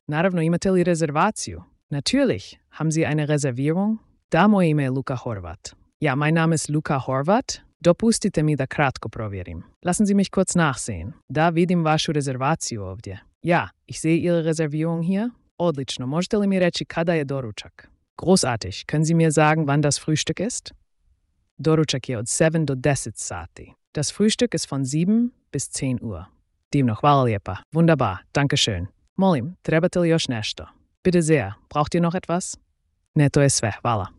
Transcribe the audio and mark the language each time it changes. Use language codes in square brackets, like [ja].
[hr] Naravno, imate li rezervaciju? [de] Natürlich, haben Sie eine Reservierung? [hr] Da moje ime je Luka Horvat. [de] Ja, mein Name ist Luka Horvat. [hr] Dopustite mi da kratko provjerim. [de] Lassen Sie mich kurz nachsehen. [hr] Da vidim vašu rezervaciju ovdje. [de] Ja, ich sehe Ihre Reservierung hier. [hr] Odlično, možete li mi reći kada je doručak? [de] Großartig, können Sie mir sagen, wann das Frühstück ist? [hr] Doručak je od 7 do 10 sati. [de] Das Frühstück ist von 7 bis 10 Uhr. [hr] Divno, hvala lijepa. [de] Wunderbar, danke schön. [hr] Molim, trebate li još nešto? [de] Bitte sehr, braucht ihr noch etwas? [hr] Ne, to je sve, hvala.